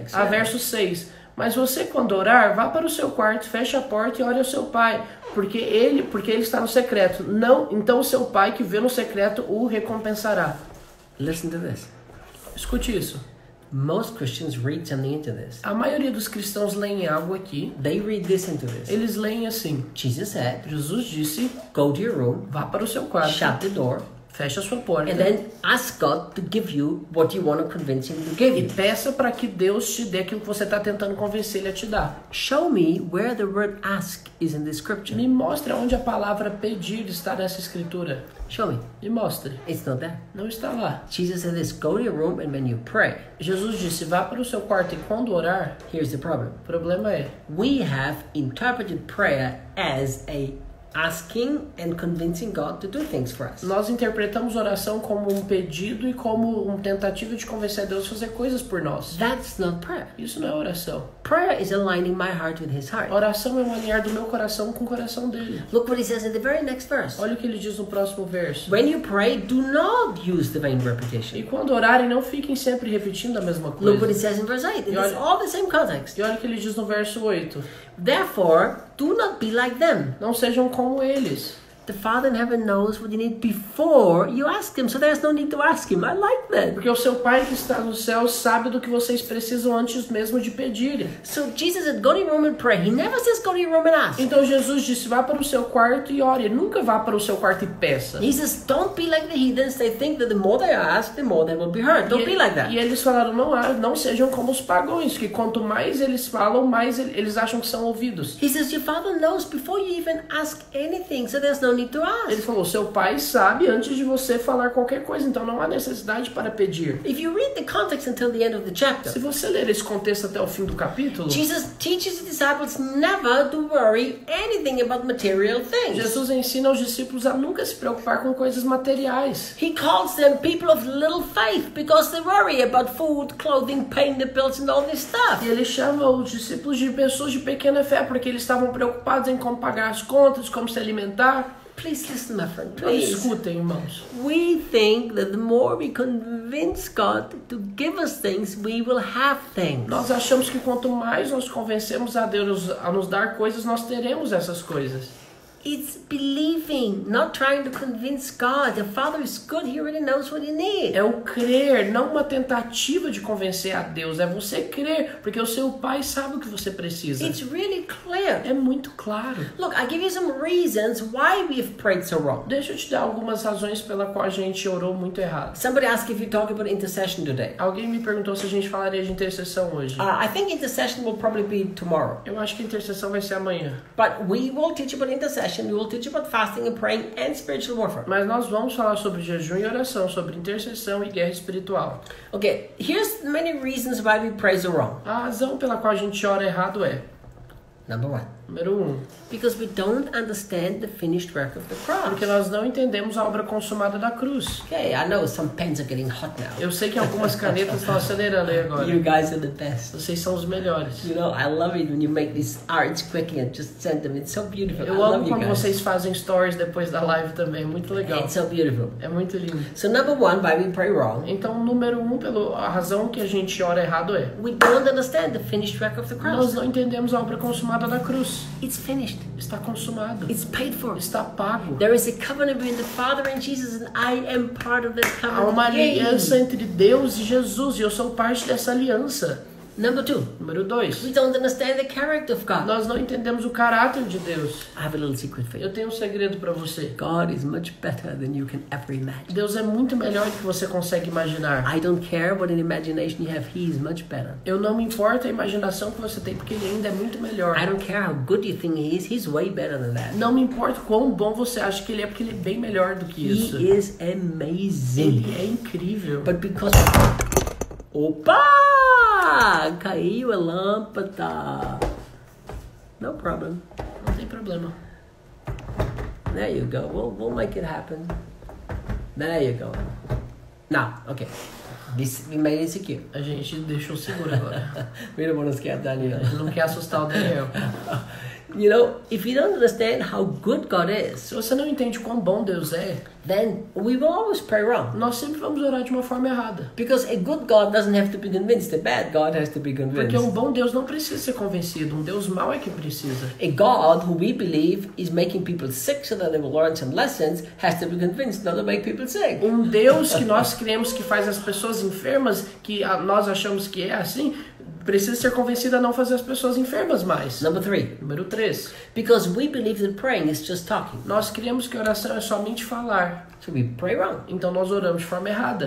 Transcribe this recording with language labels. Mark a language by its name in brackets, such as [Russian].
[Portuguese] Verso 6. Mas você, quando orar, vá para o seu quarto, feche a porta e ore ao seu pai, porque ele está no secreto. Não, então o seu pai que vê no secreto o recompensará. [English] Listen to this. [Portuguese] Escute isso. [English] Most Christians read something into this. [Portuguese] A maioria dos cristãos leem algo aqui. [English] They read this into this. [Portuguese] Eles leem assim. [English] Jesus said. [Portuguese] Jesus disse. [English] Go to your room. [Portuguese] Vá para o seu quarto. [English] Shut the door. [Portuguese] Fecha a sua porta. [English] And then ask God to give you what you want to convince him to give you. [Portuguese] E peça para que Deus te dê aquilo que você está tentando convencer ele a te dar. [English] Show me where the word ask is in the scripture. [Portuguese] Me mostre onde a palavra pedir está nessa escritura. [English] Show me. [Portuguese] Me mostre. [English] It's not there. [Portuguese] Não está lá. [English] Jesus said this, go to your room and when you pray. [Portuguese] Jesus disse, vá para o seu quarto e quando orar. [English] Here's the problem. [Portuguese] O problema é. [English] We have interpreted prayer as a asking and convincing God to do things for us. [Portuguese] Nós interpretamos oração como um pedido e como uma tentativa de convencer Deus a fazer coisas por nós. [English] That's not prayer. [Portuguese] Isso não é oração. [English] Prayer is aligning my heart with his heart. [Portuguese] Oração é alinhar do meu coração com o coração dele. [English] Look what he says in the very next verse. [Portuguese] Olha o que ele diz no próximo verso. [English] When you pray, do not use the vain repetition. [Portuguese] E quando orarem, não fiquem sempre repetindo a mesma coisa. [English] Look what he says in verse 8. It's all the same context. [Portuguese] E olha o que ele diz no verso 8. [English] Therefore, do not be like them. [Portuguese] Não sejam como eles. [English] The Father in heaven knows what you need before you ask him, so there's no need to ask him. I like that. [Portuguese] Porque o seu Pai que está no céu sabe do que vocês precisam antes mesmo de pedir. [English] So Jesus said, go to your room and pray. He never says go to your room and ask. [Portuguese] Então Jesus disse, vá para o seu quarto e ore. Nunca vá para o seu quarto e peça. [English] He says, don't be like the heathens. They think that the more they ask, the more they will be heard. Don't [Portuguese] e, [English] be like that. [Portuguese] E eles falaram, não sejam como os pagãos, que quanto mais eles falam, mais eles acham que são ouvidos. [English] He says, your Father knows before you even ask anything, so there's no need to ask. [Portuguese] Ele falou, seu Pai sabe antes de você falar qualquer coisa, então não há necessidade para pedir. [English] If you read the context until the end of the chapter, [Portuguese] se você ler esse contexto até o fim do capítulo, [English] Jesus teaches the disciples never to worry anything about material things. [Portuguese] Jesus ensina aos discípulos a nunca se preocupar com coisas materiais. [English] He calls them people of little faith because they worry about food, clothing, paying the bills and all this stuff. [Portuguese] E ele chama os discípulos de pessoas de pequena fé porque eles estavam preocupados em como pagar as contas, como se alimentar. [English] Please listen, my friend. Please. [Portuguese] Escutem, irmãos. [English] We think that the more we convince God to give us things, we will have things. [Portuguese] Nós achamos que quanto mais nós convencemos a Deus a nos dar coisas, nós teremos essas coisas. [English] It's believing, not trying to convince God. The Father is good, he already knows what you need. [Portuguese] É o crer, não uma tentativa de convencer a Deus. É você crer, porque o seu Pai sabe o que você precisa. [English] It's really clear. [Portuguese] É muito claro. [English] Look, I give you some reasons why we've prayed so wrong. [Portuguese] Deixa eu te dar algumas razões pela qual a gente orou muito errado. [English] Somebody asked if you talk about intercession today. [Portuguese] Alguém me perguntou se a gente falaria de intercessão hoje. [English] I think intercession will probably be tomorrow. [Portuguese] Eu acho que intercessão vai ser amanhã. [English] But we will teach about intercession. We will teach about fasting and praying and spiritual warfare. [Portuguese] Mas nós vamos falar sobre jejum e oração, sobre intercessão e guerra espiritual. [English] Okay, here's many reasons why we pray so wrong. [Portuguese] A razão pela qual a gente ora errado é... [English] Number one. [Portuguese] Número um. [English] Because we don't understand the finished work of the cross. [Portuguese] Porque nós não entendemos a obra consumada da cruz. [English] Okay, I know some pens are getting hot now. [Portuguese] Eu sei que algumas canetas estão acelerando aí agora. [English] You guys are the best. [Portuguese] Vocês são os melhores. [English] You know, I love it when you make these arts quick and just send them. It's so beautiful. [Portuguese] Eu amo quando vocês fazem stories depois da live também. É muito legal. [English] It's so beautiful. [Portuguese] É muito lindo. [English] So number one, why we pray wrong. [Portuguese] Então, número um, pela razão que a gente ora errado é. [English] We don't understand the finished work of the cross. [Portuguese] Nós não entendemos a obra consumada da cruz. [English] It's finished. [Portuguese] Está consumado. [English] It's paid for. [Portuguese] Está pago. [English] There is a covenant between the Father and Jesus, and I am part of that covenant. [Portuguese] Há uma aliança entre Deus e Jesus, e eu sou parte dessa aliança. [English] Number two. [Portuguese] Número dois. [English] We don't understand the character of God. [Portuguese] Nós não entendemos o caráter de Deus. [English] I have a little secret for you. [Portuguese] Eu tenho um segredo para você. [English] God is much better than you can ever imagine. [Portuguese] Deus é muito melhor do que você consegue imaginar. [English] I don't care what an imagination you have. He is much better. [Portuguese] Eu não me importo a imaginação que você tem, porque ele ainda é muito melhor. [English] I don't care how good you think he is. He's way better than that. [Portuguese] Não me importo quão bom você acha que ele é, porque ele é bem melhor do que isso. [English] He is amazing. [Portuguese] Ele é incrível. [English] But because... [Portuguese] Opa! Caiu a lâmpada. [English] No problem. [Portuguese] Não tem problema. [English] There you go. We'll make it happen. There you go. Now, okay. This, we made it secure. [Portuguese] A gente deixou seguro agora. [English] We don't want to scare Daniel. [Portuguese] Não quer assustar o Daniel. [English] You know, if you don't understand how good God is, [Portuguese] se você não entende quão bom Deus é, [English] then we will always pray wrong. [Portuguese] Nós sempre vamos orar de uma forma errada. [English] Because a good God doesn't have to be convinced, a bad God has to be convinced. [Portuguese] Porque um bom Deus não precisa ser convencido, um Deus mau é que precisa. [English] A God who we believe is making people sick so that they will learn some lessons has to be convinced not to make people sick. [Portuguese] Um Deus que nós cremos que faz as pessoas enfermas, que nós achamos que é assim, precisa ser convencido a não fazer as pessoas enfermas mais. [English] Number three. [Portuguese] Número 3. [English] Because we believe that praying is just talking. [Portuguese] Nós cremos que oração é somente falar. [English] So we pray wrong. [Portuguese] Então nós oramos de forma errada.